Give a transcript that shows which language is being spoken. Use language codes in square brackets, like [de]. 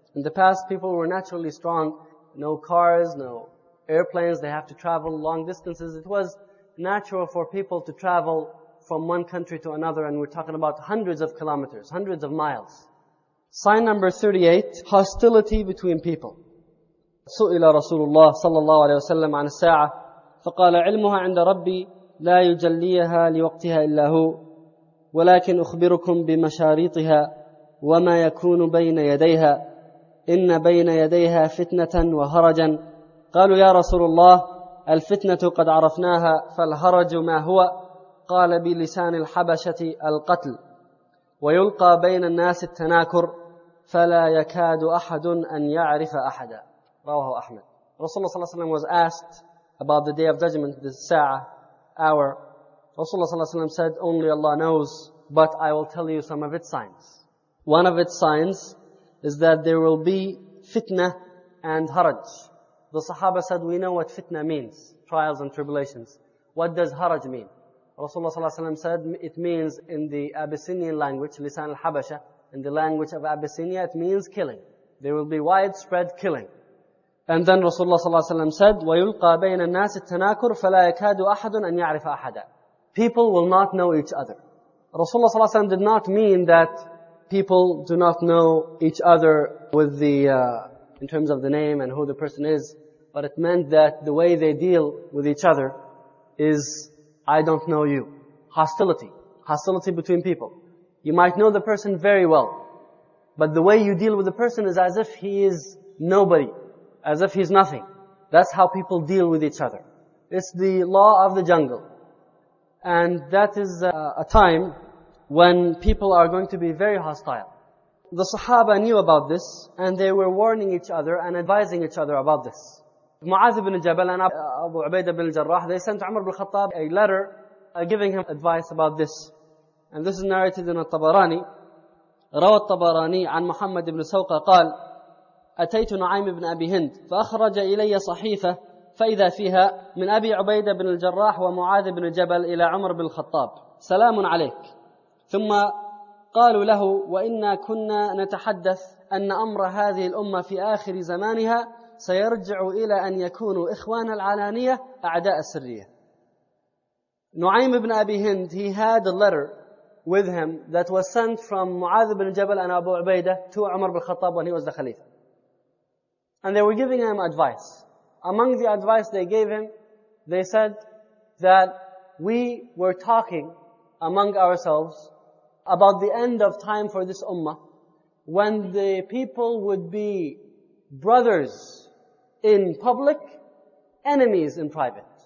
[en] In the past, people were naturally strong. No cars, no airplanes. They have to travel long distances. It was natural for people to travel from one country to another, and we're talking about hundreds of kilometers, hundreds of miles. Sign number 38, hostility between people. [ar] سئل رسول الله صلى الله عليه وسلم عن الساعة فقال علمها عند ربي لا يجليها لوقتها إلا هو ولكن أخبركم بمشاريطها وما يكون بين يديها إن بين يديها فتنة وهرجا قالوا يا رسول الله الفتنة قد عرفناها فالهرج ما هو قال بلسان الحبشة القتل ويلقى بين الناس التناكر فلا يكاد أحد أن يعرف أحدا رواه أحمد. [en] Rasulullah صلى الله عليه وسلم was asked about the day of judgment, the ساعة, hour. Rasulullah صلى الله عليه وسلم said, only Allah knows, but I will tell you some of its signs. One of its signs is that there will be fitna and haraj. The Sahaba said, we know what fitna means, trials and tribulations. What does haraj mean? Rasulullah sallallahu alaihi wasallam said, it means in the Abyssinian language, [ar] lisan al-habasha, [en] in the language of Abyssinia, it means killing. There will be widespread killing. And then Rasulullah sallallahu alaihi wasallam said, [ar] وَيُلْقَى بَيْنَ النَّاسِ التَّنَاكُرُ فَلَا يَكَادُ أَحَدٌ أَنْ يَعْرِفَ أَحَدًا. [en] People will not know each other. Rasulullah sallallahu alaihi wasallam did not mean that people do not know each other with the in terms of the name and who the person is, but it meant that the way they deal with each other is, I don't know you. Hostility between people. You might know the person very well, but the way you deal with the person is as if he is nobody, as if he's nothing. That's how people deal with each other. It's the law of the jungle. And that is a time when people are going to be very hostile. The Sahaba knew about this, and they were warning each other and advising each other about this. Mu'adh ibn Jabal and Abu Ubaidah ibn Jarrah, they sent Umar ibn Khattab a letter giving him advice about this. And this is narrated in al-Tabarani. [ar] Rawat al-Tabarani an Muhammad ibn Sawqa qal, أتيت نعيم ibn Abi Hind, فأخرج إلي صحيفة فإذا فيها من أبي عبيدة بن الجراح ومعاذ بن جبل إلى عمر بن الخطاب سلام عليك. ثم قالوا له وإنا كنا نتحدث أن أمر هذه الأمة في آخر زمانها سيرجع إلى أن يكونوا إخوان العلانية أعداء السرية. [en] نعيم بن أبي هند, he had a letter with him that was sent from معاذ بن جبل and أبو عبيدة to عمر بن الخطاب when he was the Khalifa. And they were giving him advice. Among the advice they gave him, they said that we were talking among ourselves about the end of time for this ummah, when the people would be brothers in public, enemies in private.